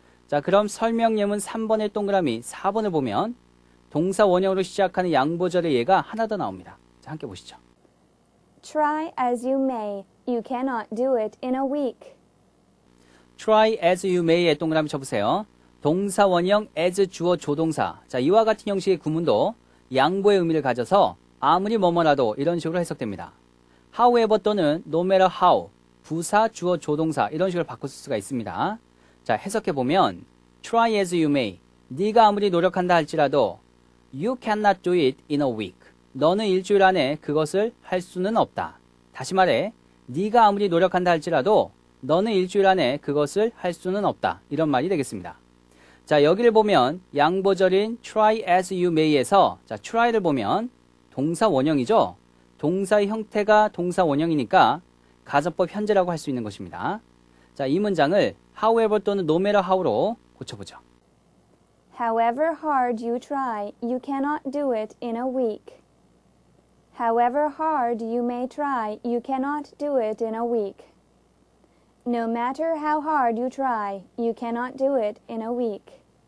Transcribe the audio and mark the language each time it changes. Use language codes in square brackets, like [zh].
[ko] 자, 그럼 설명 예문 3번의 동그라미 4번을 보면 동사 원형으로 시작하는 양보절의 예가 하나 더 나옵니다. 자, 함께 보시죠. [en] Try as you may, you cannot do it in a week. Try as you may [ko] 의 동그라미 쳐보세요. 동사 원형 as 주어 조동사. 자, 이와 같은 형식의 구문도 양보의 의미를 가져서 아무리 뭐뭐라도 이런 식으로 해석됩니다. However 또는 no matter how, 부사 주어 조동사 이런 식으로 바꿀 수가 있습니다. 자, 해석해보면 [en] try as you may, [ko] 네가 아무리 노력한다 할지라도 [en] you cannot do it in a week. [ko] 너는 일주일 안에 그것을 할 수는 없다. 다시 말해, 네가 아무리 노력한다 할지라도 너는 일주일 안에 그것을 할 수는 없다. 이런 말이 되겠습니다. 자, 여기를 보면 양보절인 [en] try as you may [ko] 에서 자, try를 보면 동사 원형이죠. 동사의 형태가 동사 원형이니까 가정법 현재라고 할 수 있는 것입니다. 자, 이 문장을 however 또는 no matter how로 고쳐보죠. [en] However hard you try, you cannot do it in a week. However hard you may try, you cannot do it in a week. No matter how hard you try, you cannot do it in a week.